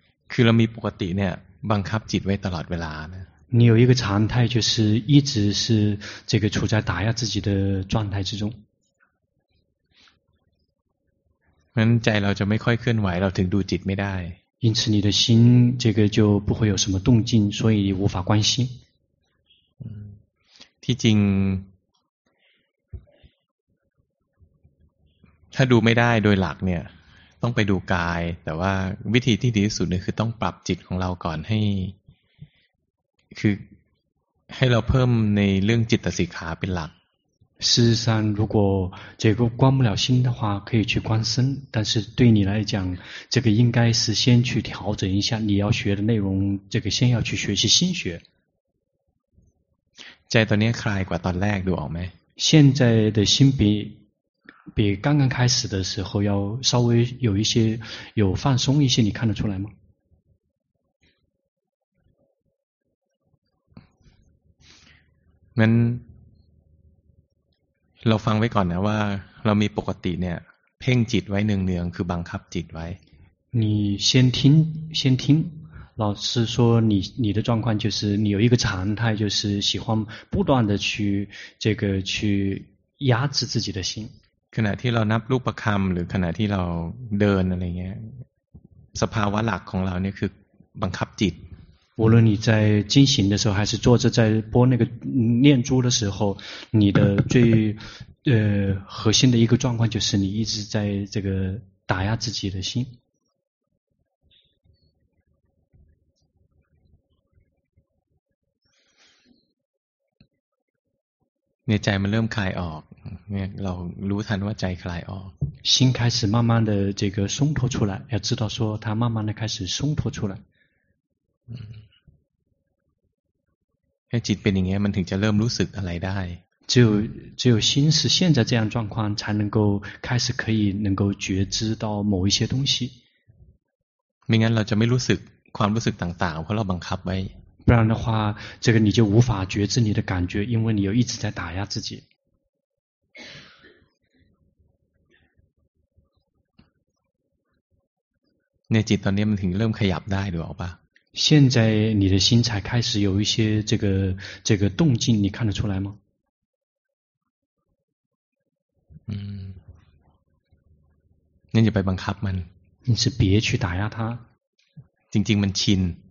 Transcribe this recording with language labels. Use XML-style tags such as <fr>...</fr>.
<th>คือเรามีปกติเนี่ยบังคับจิตไว้ตลอดเวลานะ</th> <zh>你有一个常态就是一直是这个处在打压自己的状态之中</zh> <th>งั้นใจเราจะไม่ค่อยเคลื่อนไหวเราถึงดูจิตไม่ได้</th> <zh>因此你的心这个就不会有什么动静所以无法关心</zh> <th>ที่จริงถ้าดูไม่ได้โดยหลักเนี่ยต้องไปดูกายแต่ว่าวิธีที่ดีที่สุดเนี่ยคือต้องปรับจิตของเราก่อนให้คือให้เราเพิ่มในเรื่องจิตสิกขาเป็นหลัก</th> <zh>事实上如果这个关不了心的话可以去观身但是对你来讲这个应该是先去调整一下你要学的内容这个先要去学习心学</zh> <th>ใจตอนนี้คลายกว่าตอนแรกดูออกไหม</th> <zh>现在的心比刚刚开始的时候要稍微有一些有放松一些你看得出来吗</zh> <th>งั้นเราฟังไว้ก่อนนะว่าเรามีปกติเนี่ยเพ่งจิตไว้เนืองๆคือบังคับจิตไว้</th> <zh>你先听老师说你的状况就是你有一个常态就是喜欢不断的去这个去压制自己的心</zh> <th>ขณะที่เรานับรูปคำหรือขณะที่เราเดินอะไรเงี้ยสภาวะหลักของเราเนี่ยคือบังคับจิต</th> <zh>无论你在进行的时候还是坐着在拨那个念珠的时候你的最核心的一个状况就是你一直在这个打压自己的心</zh> <th>เนี่ยใจมันเริ่มคลายออกเนี่ยเรารู้ทันว่าใจคลายออก</th> <zh>心开始慢慢的这个松脱出来要知道说它慢慢的开始松脱出来</zh> <th>ให้จิตเป็นอย่างเงี้ยมันถึงจะเริ่มรู้สึกอะไรได้</th> <zh>只有心是现在这样状况才能够开始可以能够觉知到某一些东西</zh> <th>ไม่งั้นเราจะไม่รู้สึกความรู้สึกต่างๆเพราะเราบังคับไว้</th> <zh>不然的话这个你就无法觉知你的感觉因为你又一直在打压自己</zh> <th>那จิตตอนนี้มันถึงเริ่มขยับได้หรือเปล่า</th> <zh>现在你的心才开始有一些这个动静你看得出来吗</zh> <th>นี่จะไปบังคับมัน</th> <zh>你是别去打压它。</zh> <th>จริงๆมันชิน</th>